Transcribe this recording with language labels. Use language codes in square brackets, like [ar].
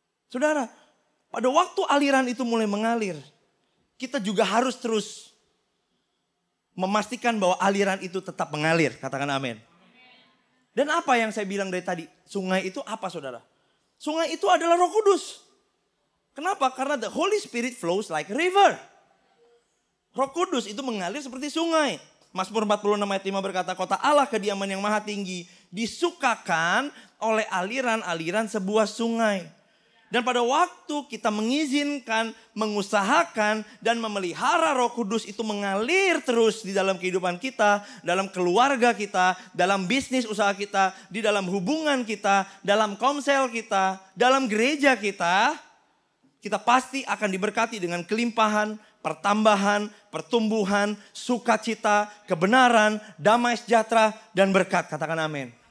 [id] Saudara, pada waktu aliran itu mulai mengalir, kita juga harus terus memastikan bahwa aliran itu tetap mengalir. Katakan amin. Dan apa yang saya bilang dari tadi? Sungai itu apa, saudara? Sungai itu adalah Roh Kudus. Kenapa? [en] Karena the Holy Spirit flows like a river. [id] Roh Kudus itu mengalir seperti sungai. Mazmur 46 ayat 5 berkata, kota Allah kediaman yang maha tinggi disukakan oleh aliran-aliran sebuah sungai. Dan pada waktu kita mengizinkan, mengusahakan, dan memelihara Roh Kudus itu mengalir terus di dalam kehidupan kita, dalam keluarga kita, dalam bisnis usaha kita, di dalam hubungan kita, dalam komsel kita, dalam gereja kita, kita pasti akan diberkati dengan kelimpahan, pertambahan, pertumbuhan, sukacita, kebenaran, damai sejahtera, dan berkat. Katakan amin.